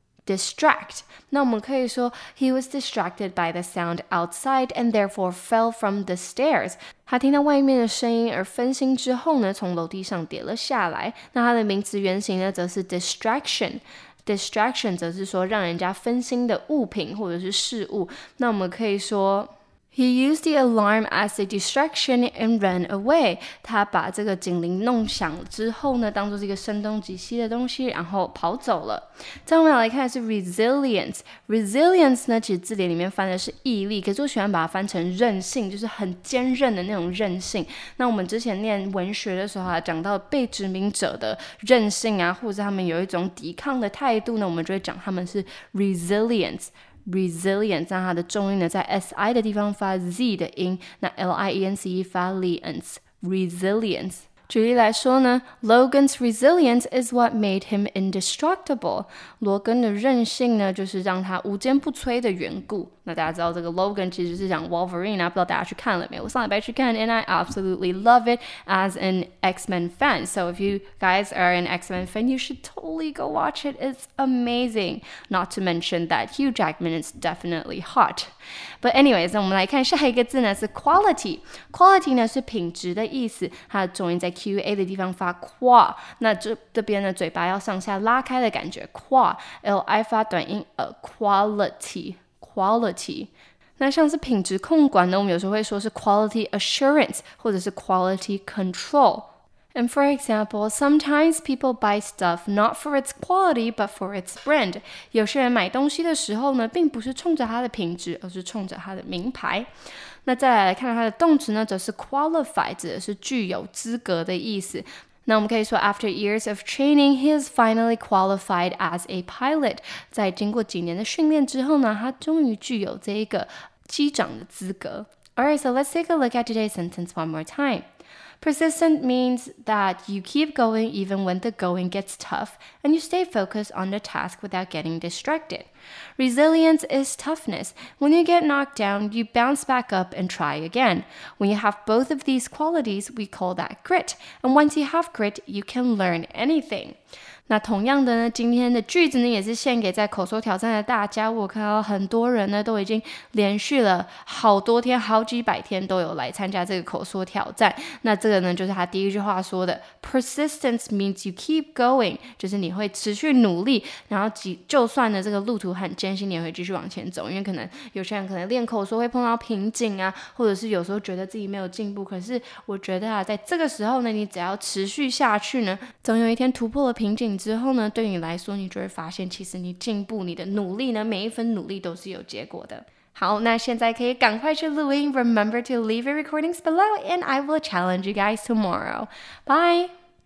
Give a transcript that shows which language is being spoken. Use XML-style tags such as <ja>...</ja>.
<en>distract，</en> <zh>那我们可以说</zh> <en>He was distracted by the sound outside and therefore fell from the stairs.</en> <zh>他听到外面的声音而分心之后呢，从楼梯上跌了下来。那他的名词原型呢，则是 distraction。distraction 则是说让人家分心的物品或者是事物。那我们可以说</zh> <en>He used the alarm as a distraction and ran away.</en> <zh>他把这个警铃弄响之后呢，当作是一个声东击西的东西，然后跑走了。再我们来看的是 resilience。resilience 呢，其实字典里面翻的是毅力，可是我喜欢把它翻成韧性，就是很坚韧的那种韧性。那我们之前念文学的时候啊，讲到被殖民者的韧性啊，或者他们有一种抵抗的态度呢，我们就会讲他们是 resilience。 resilience， 那它的重音呢在 si 的地方发 z 的音，那 l-i-e-n-c-e 发 liance， resilience。举例来说呢</zh> <en>，Logan's resilience is what made him indestructible。</en> <zh>罗根的韧性呢，就是让他无坚不摧的缘故。那大家知道这个 Logan 其实是讲 Wolverine 啊，不知道大家去看了没？我上礼拜去看</zh> <en>，and I absolutely love it as an X-Men fan. So if you guys are an X-Men fan, you should totally go watch it. It's amazing. Not to mention that Hugh Jackman is definitely hot. But anyways，</en> <zh>那我们来看下一个字呢是 quality。quality 呢是品质的意思，它的重音在 qa 的地方发 qua。那这边呢嘴巴要上下拉开的感觉 ，qua li 发短音 a quality。 quality， 那像是品质控管呢，我们有时候会说是 quality assurance 或者是 quality control。</zh> <en>And for example, sometimes people buy stuff not for its quality but for its brand.</en> <zh>有些人买东西的时候呢，并不是冲着它的品质，而是冲着它的名牌。那再来看它的动词呢，则是 qualify， 指的是具有资格的意思。那我们可以说</zh> <en>after years of training, he is finally qualified as a pilot.</en> <zh>在经过几年的训练之后呢，他终于具有这一个机长的资格。</zh> <en>Alright, so let's take a look at today's sentence one more time. Persistent means that you keep going even when the going gets tough and you stay focused on the task without getting distracted. Resilience is toughness. When you get knocked down, you bounce back up and try again. When you have both of these qualities, we call that grit. And once you have grit, you can learn anything.</en> <zh>那同样的呢，今天的句子呢也是献给在口说挑战的大家。我看到很多人呢都已经连续了好多天，好几百天都有来参加这个口说挑战。那这个呢就是他第一句话说的 ，</zh> <en>Persistence means you keep going，</en> <zh>就是你会持续努力，然后就算呢这个路途很艰辛，你也会继续往前走。因为可能有些人可能练口说会碰到瓶颈啊，或者是有时候觉得自己没有进步。可是我觉得啊，在这个时候呢，你只要持续下去呢，总有一天突破了瓶颈。之后呢，对你来说，你就会发现，其实你进步，你的努力呢，每一分努力都是有结果的。好，那现在可以赶快去录音。</zh> <en>Remember to leave your recordings below, and I will challenge you guys tomorrow. Bye.</en>